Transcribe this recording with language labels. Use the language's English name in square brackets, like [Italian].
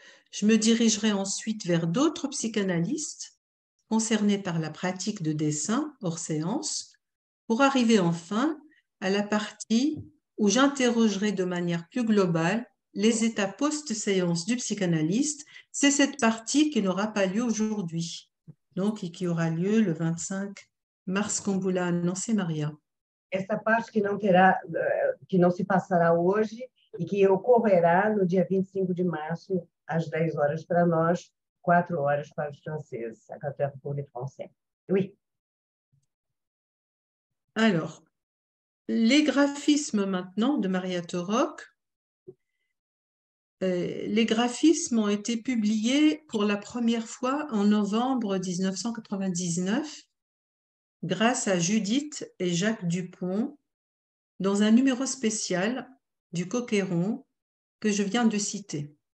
[French] Je me dirigerai ensuite vers d'autres psychanalystes concernés par la pratique de dessin hors séance, pour arriver enfin à la partie où j'interrogerai de manière plus globale les états post-séance du psychanalyste, c'est cette partie qui n'aura pas lieu aujourd'hui, donc et qui aura lieu le 25 mars, comme vous l'a annoncé, Maria. [Portuguese] Esta parte que não se passará hoje e que ocorrerá no dia 25 de março, às 10 horas para nós, 4 horas para os franceses, [French] à 14 pour les français. Oui. Alors, les graphismes maintenant de Maria Torok. Les graphismes ont été publiés pour la première fois en novembre 1999 grâce à Judith et Jacques Dupont dans un numéro spécial du Coqueron que je viens de citer.